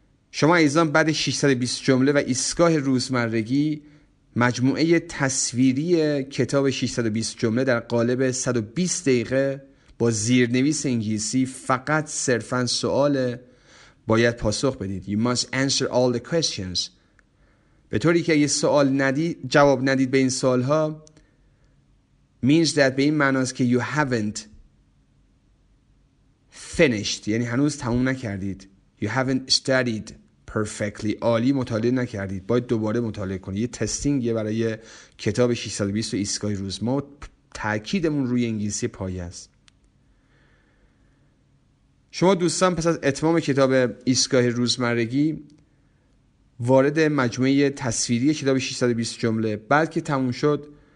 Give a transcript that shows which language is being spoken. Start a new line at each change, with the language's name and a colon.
Persian: شما عزیزان بعد 620 جمله و ایستگاه روزمرگی مجموعه تصویری کتاب 620 جمله در قالب 120 دقیقه با زیرنویس انگلیسی فقط صرفاً سوال باید پاسخ بدید.
English: You must answer all the questions.
Persian: به طوری که اگه سوال ندید جواب ندید به این سوال ها
English: means that
Persian: به این معناست که
English: you haven't finished
Persian: یعنی هنوز تموم نکردید.
English: You haven't studied perfectly
Persian: عالی مطالعه نکردید. باید دوباره مطالعه کنید. یه تستینگ یه برای کتاب 620 و ایستگاه روز ما تأکیدمون روی انگلیسی پایه است. شما دوستان پس از اتمام کتاب ایستگاه روزمرگی وارد مجموعه تصویری کتاب 620 جمله بعد که تموم شد